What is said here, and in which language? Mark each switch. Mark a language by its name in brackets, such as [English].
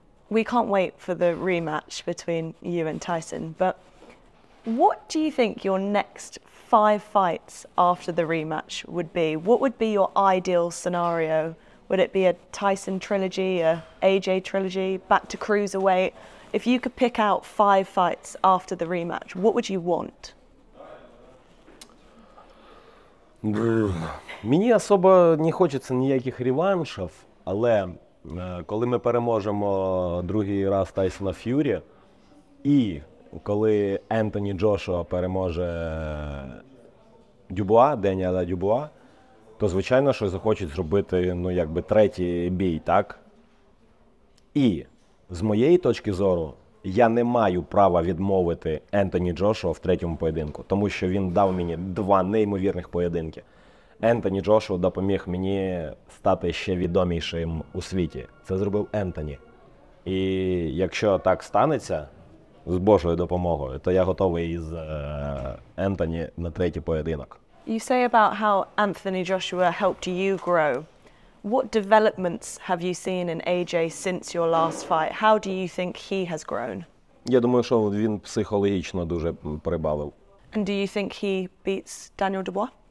[English] We can't wait for the rematch between you and Tyson, but what do you think your next 5 fights after the rematch would be? What would be your ideal scenario? Would it be a Tyson trilogy, a AJ trilogy, back to cruiserweight? If you could pick out 5 fights after the rematch, what would you want? [Ukrainian] Мені особо не хочеться ніяких реваншів, але коли ми переможемо другий раз Тайсона Ф'юрі і коли Ентоні Джошуа переможе Дюбуа, Деніеля Дюбуа, то, звичайно, що захочуть зробити, ну, якби, третій бій, так? І, з моєї точки зору, я не маю права відмовити Ентоні Джошуа в третьому поєдинку, тому що він дав мені 2 неймовірних поєдинки. Ентоні Джошуа допоміг мені стати ще відомішим у світі. Це зробив Ентоні. І якщо так станеться, з Божою допомогою, то я готовий із Ентоні на третій поєдинок. [English] You say about how Anthony Joshua helped you grow. What developments have you seen in AJ since your last fight? How do you think he has grown? [Ukrainian] Я думаю, що він психологічно дуже прибавив. [English] And do you think he beats Daniel Dubois?